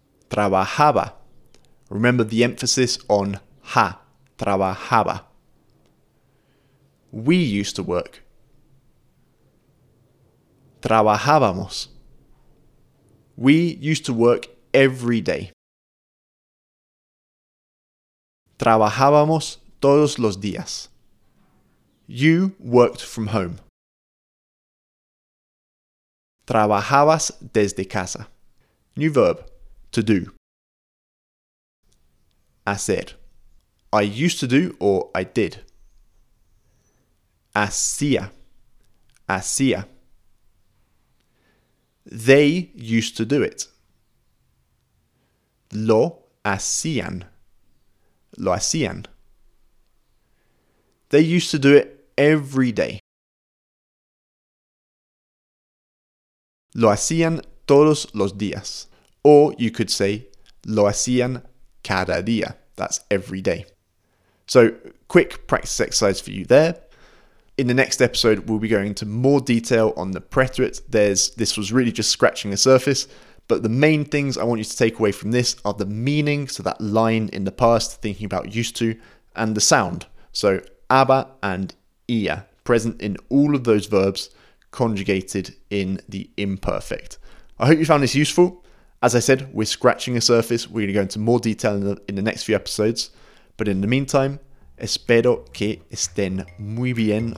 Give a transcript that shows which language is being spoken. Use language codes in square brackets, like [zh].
[en] Trabajaba. Remember the emphasis on ha. Trabajaba. We used to work. [es] Trabajábamos. [en] We used to work every day. [es] Trabajábamos todos los días. [en] You worked from home. [es] Trabajabas desde casa. [en] New verb, to do. Hacer. I used to do or I did. Hacía. Hacía. They used to do it. [es] Lo hacían. Lo hacían. [en] They used to do it every day. [es] Lo hacían todos los días. [en] Or you could say, [es] lo hacían cada día. [en] That's every day. So, quick practice exercise for you there. In the next episode, we'll be going into more detail on the preterite. This was really just scratching the surface. But the main things I want you to take away from this are the meaning, so that line in the past, thinking about used to, and the sound. So, aba and ia, present in all of those verbs, conjugated in the imperfect. I hope you found this useful. As I said, we're scratching the surface. We're going to go into more detail in the next few episodes. But in the meantime, [es] espero que estén muy bien.